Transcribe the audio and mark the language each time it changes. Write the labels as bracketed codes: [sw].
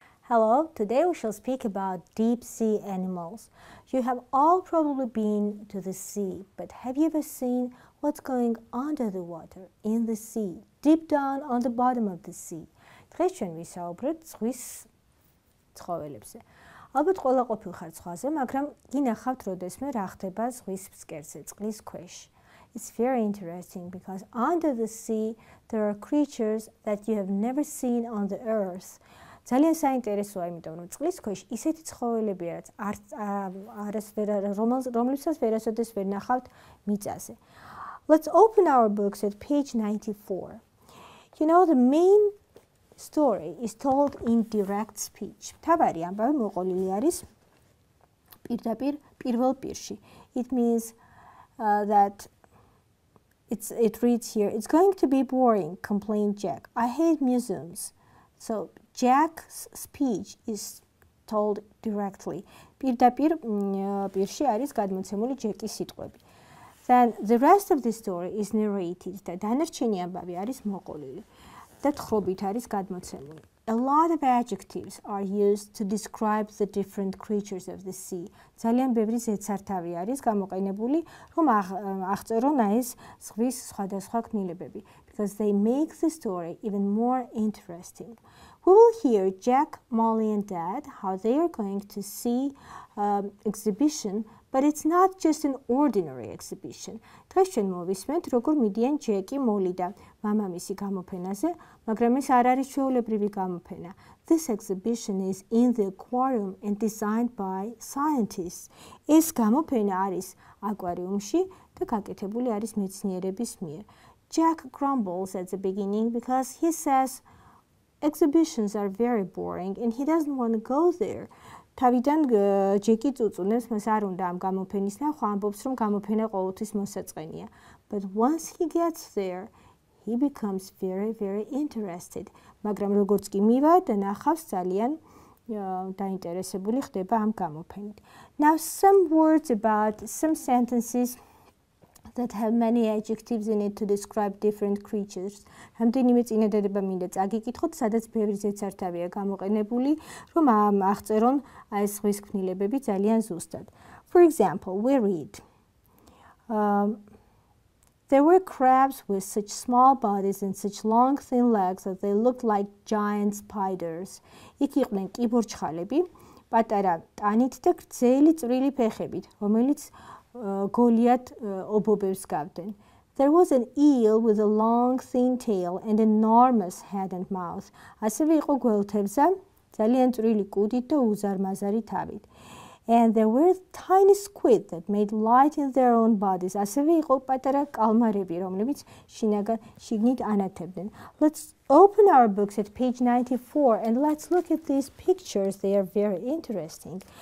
[en] Hello, today we shall speak about deep sea animals. You have all probably been to the sea, but have you ever seen what's going under the water, in the sea, deep down on the bottom of the sea? [ka] დღეს ჩვენ ვისაუბრებთ ზღვის ცხოველებზე. Ალბათ ყველა ყოფილ ხარ ზღვაზე, მაგრამ გინახავთ როდესმე რა ხდება ზღვის ფსკერზე, წყლის ქვეშ. [en] It's very interesting because under the sea there are creatures that you have never seen on the earth. [ka] ძალიან საინტერესოა, იმიტომ რომ წყლის ქვეშ ისეთი ცხოველებია, რაც რომლებსაც ვერასოდეს ვერ ნახავთ მიწაზე. [en] Let's open our books at page 94. You know, the main story is told in direct speech. [ka] თავარი ამბავი მოყოლილი არის პირდაპირ პირველ პირში. [en] It means that it reads here, "It's going to be boring," complained Jack. "I hate museums." So Jack's speech is told directly. [ka] პირდაპირ პირში არის გადმოცემული ჯეკის სიტყვები. [en] Then the rest of the story is narrated. [ka] და დანარჩენი ამბავი არის მოყოლილი. Და თხრობით არის გადმოცემული. [en] A lot of adjectives are used to describe the different creatures of the sea. [ka] ძალიან ბევრი ზეცარტავი არის გამოყენებული, რომ აღწერონ ეს ზღვის სხვადასხვა გმირები, [en] because they make the story even more interesting. We will hear Jack, Molly and Dad how they are going to see exhibition, but it's not just an ordinary exhibition. [ka] დღეს ჩვენ მოვისმენთ, როგორ მიდიან ჯეკი, მოლი და მამამისი გამოფენაზე, მაგრამ ეს არ არის ჩვეულებრივი გამოფენა. [en] This exhibition is in the aquarium and designed by scientists. [ka] ეს გამოფენა არის აკვარიუმში და გაკეთებული არის მეცნიერების მიერ. [en] Jack grumbles at the beginning because he says exhibitions are very boring and he doesn't want to go there. [ka] თავიდან ჯეკი წუწუნებს, მას არ უნდა ამ გამოფენის ნახვა, ამბობს, რომ გამოფენა ყოველთვის მოსაწყენია. [en] But once he gets there, he becomes very, very interested. [ka] მაგრამ როგორც კი მივა და ნახავს, ძალიან დაინტერესებული ხდება ამ გამოფენით. [en] Now some words about some sentences that have many adjectives in it to describe different creatures. [ka] რამდენიმე წინადადება მინდა წაგიკითხოთ, სადაც ბევრი ზეცარტავია გამოყენებული, რომ აღწერონ აი ეს ზღვის ქნილებები ძალიან ზუსტად. [en] For example, we read there were crabs with such small bodies and such long thin legs that they looked like giant spiders. [ka] იქ იყვნენ კიბორჩხალები, პატარა ტანით და გრძელი წვრილი ფეხებით, რომელიც გოლიათ ობობებს გავდნენ. [en] There was an eel with a long thin tail and enormous head and mouth. [ka] ასევე იყო გველთევზა, ძალიან წვრილი კუდით და უზარმაზარი თავით. [en] And there were tiny squid that made light in their own bodies. [ka] ასევე იყო პატარა კალმარები, რომლებიც შინაგან შიგნით ანათებდნენ. [en] Let's open our books at page 94 and let's look at these pictures. They are very interesting.